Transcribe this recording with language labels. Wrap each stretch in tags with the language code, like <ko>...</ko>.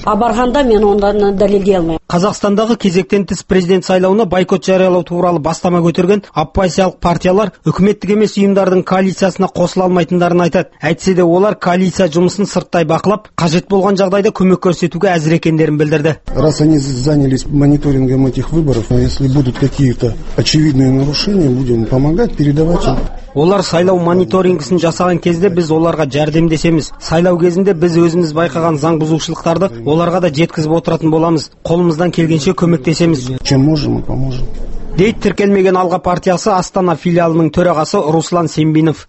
<kk>А барғанда мен оны дәлелдей алмаймын. Қазақстандағы кезектен тыс президент сайлауына байкот жариялау туралы бастама көтерген оппозициялық партиялар үкіметтік емес ұйымдардың коалициясына қосыла алмайтындарын айтады. Әйтсе де олар коалиция жұмысын сырттай бақылап, қажет болған жағдайда көмек көрсетуге әзір екендерін білдірді.</kk> <ru>Раз они занялись мониторингом этих выборов, но если будут какие-то очевидные нарушения, будем помогать, передавать.</ru> <kk>Олар сайлау мониторингісін жасаған кезде біз оларға жәрдемдесеміз. Сайлау кезінде біз өзіміз байқаған заң бұзушылықтарды оларға да жеткізіп отыратын боламыз. Қолымыздан келгенше көмектесеміз.</kk> <ru>Чем можем, поможем.</ru> <kk>Дейт тіркелмеген Алға партиясы Астана филиалының төрағасы Руслан Сембинов.</kk>